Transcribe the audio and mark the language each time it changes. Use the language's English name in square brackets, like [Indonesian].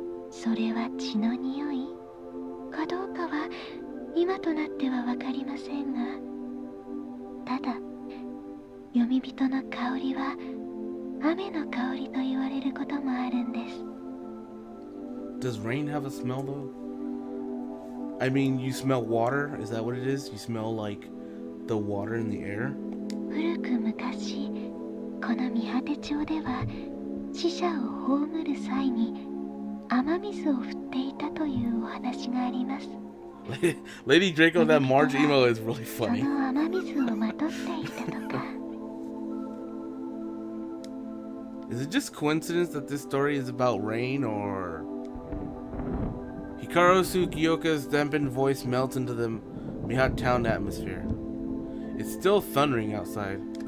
[Japanese] それは血の匂いかどうかは今となってはわかりませんが、ただ、Yomibito の香りは雨の香りと言われることもあるんです。 [English] Does rain have a smell though? I mean, you smell water, is that what it is? You smell like the water in the air? [Japanese] 古く昔、この御果て町では死者を葬る際に雨水を降っていたというお話があります。 [English] Lady Draco, that Marge emo is really funny. [Japanese] その雨水をまとっていたとか。 [English] Is it just coincidence that this story is about rain or... Hikaru Sugiyoka's dampened voice melts into the Mihat town atmosphere. It's still thundering outside.